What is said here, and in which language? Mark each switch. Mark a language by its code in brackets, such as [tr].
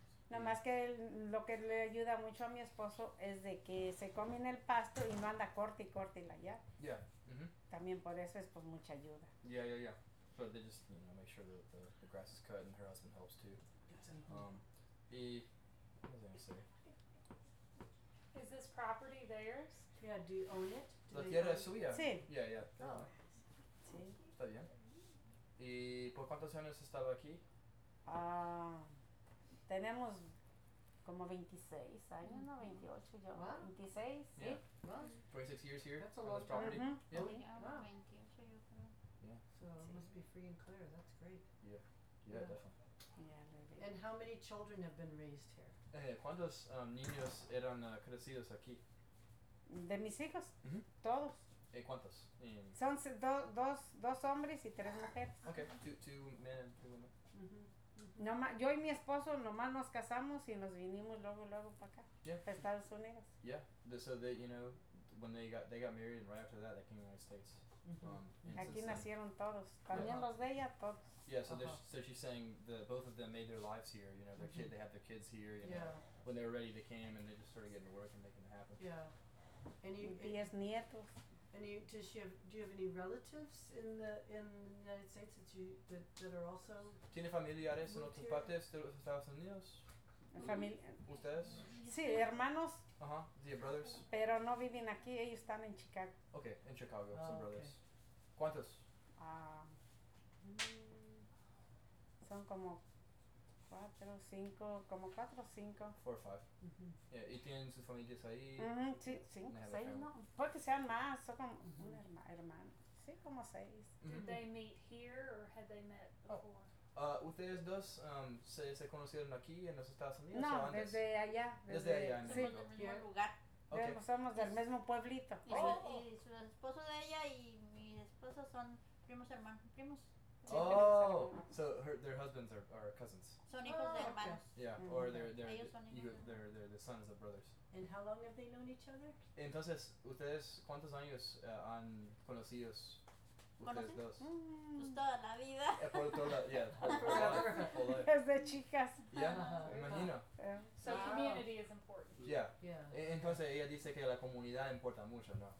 [es] Nada no, más que lo que le ayuda mucho a mi esposo es de que se come en el pasto y no anda corte y corte y la ya. [en] Yeah. Mm-hmm. [es] También por eso es pues mucha ayuda. [en] Yeah. So they just, you know, make sure that the grass is cut and her husband helps too. Mm-hmm. Y, what was I going to say? Is this property theirs? Yeah, do you own it? [es] La tierra es suya. Sí. [en] Yeah. Oh. Yeah. [es] Sí. Está bien. ¿Y por cuántos años estaba aquí? Tenemos como 26 años, no, 28 yo. [en] Wow. [es] 26, [en] yeah. [es] sí. [en] Wow. 26 years here. That's a lot of property. Mm-hmm. Yeah. Wow. 28 yo [es] creo. Yeah. [en] So it must be free and clear. That's great. Yeah, definitely. Yeah, maybe. And how many children have been raised here? [es] ¿Cuántos niños eran crecidos aquí? De mis hijos. Mm-hmm. Todos. ¿Cuántos? Son dos hombres y tres mujeres. [en] Okay, two men and two women. Mm-hmm. [es] Nomás, yo y mi esposo nomás nos casamos y nos vinimos luego para acá, [en] yeah. [es] para Estados Unidos. [en] Yeah, so they, you know, when they got married and right after that they came to the United States. Mm-hmm. [es] Aquí [en] then. [es] Nacieron todos, también uh-huh. los de ella, todos. [en] Yeah, so, uh-huh. so she's saying that both of them made their lives here, you know, their mm-hmm. kid, they had their kids here, you yeah. know, when they were ready they came and they just started getting to work and making it happen. Yeah, and [es] es nietos. [en] And do you have any relatives in the United States that are also? [es] ¿Tiene familiares en otras partes de los Estados Unidos? ¿Ustedes? Sí, hermanos. [en] Ajá, uh-huh. brothers. [es] Pero no viven aquí, ellos están en Chicago. Okay, en Chicago, [en] oh, some okay. brothers. ¿Cuántos? [es] Son como 4 o 5. [en] 4 or 5. Mm-hmm. [es] Yeah, ¿y tienen sus familias ahí? Sí, 5, 6, no. Puede que sean más, son como mm-hmm. un hermano. Sí, como 6. Mm-hmm. [en] Did they meet here or had they met before? Oh. [es] ¿Ustedes dos se conocieron aquí en los Estados Unidos? No, o antes? Desde allá. Desde allá, en sí. México. Del mismo lugar. Okay. Somos del mismo pueblito. Y su esposo de ella y mi esposo son primos hermanos. Primos. [en] Sí, oh, so her, their husbands are cousins. [es] Son hijos [en] oh, [es] de hermanos. [en] Okay. Yeah, mm-hmm. Or they're the sons of brothers. And how long have they known each other? [es] Entonces, ¿ustedes cuántos años han conocido ustedes dos? Mm. Pues toda la vida. Por toda la, yeah, por la, desde chicas. Yeah, imagino. [en] So wow. Community is important. Yeah. Yeah. [es] Entonces, ella dice que la comunidad importa mucho, ¿no?